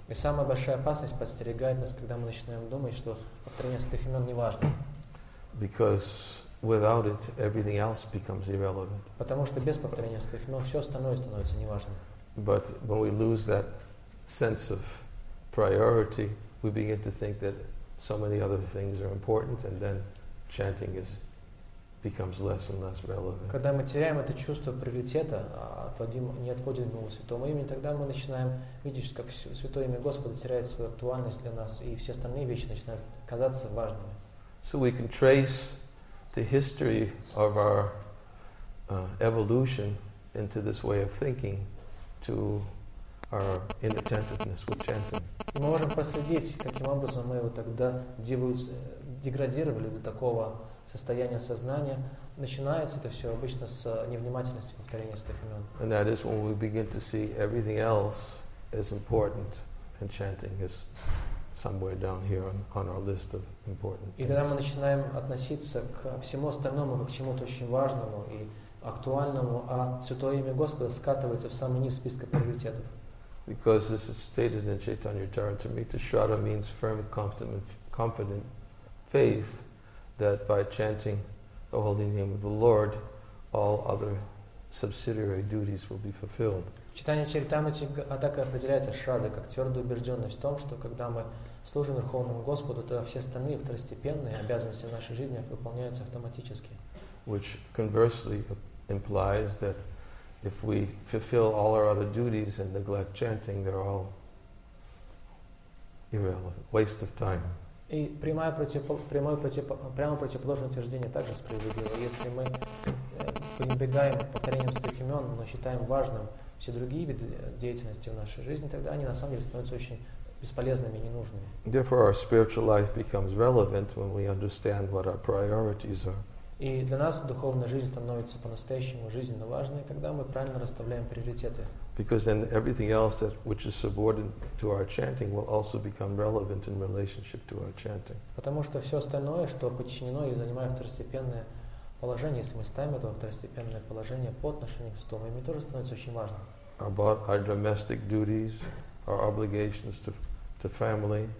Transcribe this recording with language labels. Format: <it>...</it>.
<ru>И самая большая опасность подстерегает нас, когда мы начинаем думать, что повторение святых имен неважно.</ru> <en>Because without it, everything else becomes irrelevant.</en> <ru>Потому что без повторения святых имен все остальное становится неважным.</ru> <en>But when we lose that sense of priority, we begin to think that so many other things are important, and then chanting is becomes less and less relevant.</en> <ru>Когда мы теряем это чувство приоритета, не отводим его святому имени, тогда мы начинаем видеть, как святое имя Господа теряет свою актуальность для нас, и все остальные вещи начинают казаться важными.</ru> <en>So we can trace the history of our evolution into this way of thinking to our inattentiveness with chanting.</en> <ru>Мы можем проследить, каким образом мы вот тогда деградировали до такого состояния сознания. Начинается это все обычно с невнимательности повторения святых имен.</ru> <en>And that is when we begin to see everything else as important, and chanting is somewhere down here on our list of important things.</en> <ru>И тогда мы начинаем относиться к всему остальному как к чему-то очень важному и актуальному, а святое имя Господа скатывается в самый низ списка приоритетов.</ru> <en>Because this is stated in Chaitanya Charitamrita, Shraddha means firm, confident faith that by chanting the holy name of the Lord, all other subsidiary duties will be fulfilled.</en> <ru>Chaitanya Charitamrita так и определяется Shraddha как твердая убежденность в том, что когда мы служим Верховному Господу, то все остальные второстепенные обязанности в нашей жизни выполняются автоматически.</ru> <en>Which conversely implies that if we fulfill all our other duties and neglect chanting, they're all irrelevant, waste of time.</en> <ru>И прямо противоположное утверждение также справедливо. Если мы пренебрегаем повторением святых имен, но считаем важным все другие виды деятельности в нашей жизни, тогда они на самом деле становятся очень бесполезными и ненужными.</ru> <en>Therefore, our spiritual life becomes relevant when we understand what our priorities are.</en> <ru>И для нас духовная жизнь становится по-настоящему жизненно важной, когда мы правильно расставляем приоритеты.</ru> <en>Because then everything else that which is subordinate to our chanting will also become relevant in relationship to our chanting.</en> <ru>Потому что все остальное, что подчинено и занимает второстепенное положение, если мы ставим это второстепенное положение по отношению к святому имени, тоже становится очень важным.</ru> <en>About our domestic duties, our obligations to family.</en>